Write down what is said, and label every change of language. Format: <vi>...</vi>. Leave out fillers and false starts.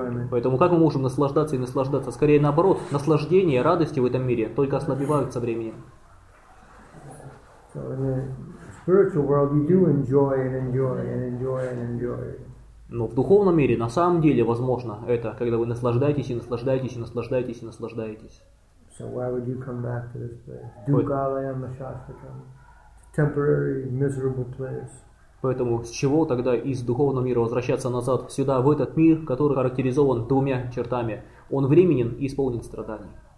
<ru>Поэтому как мы можем наслаждаться и наслаждаться? Скорее наоборот, наслаждение, радости в этом мире только ослабевают со временем.</ru> <en>So in the spiritual world, you do enjoy and enjoy and enjoy and enjoy.</en> <ru>Но в духовном мире на самом деле возможно это, когда вы наслаждаетесь и наслаждаетесь и наслаждаетесь и наслаждаетесь.</ru> <en>So why would you come back to this place?</en> <sa>Dukalayam Ashastakam.</sa> <en>Temporary, miserable place.</en> <ru>Поэтому с чего тогда из духовного мира возвращаться назад сюда, в этот мир, который характеризован двумя чертами? Он временен и исполнен страданий.</ru>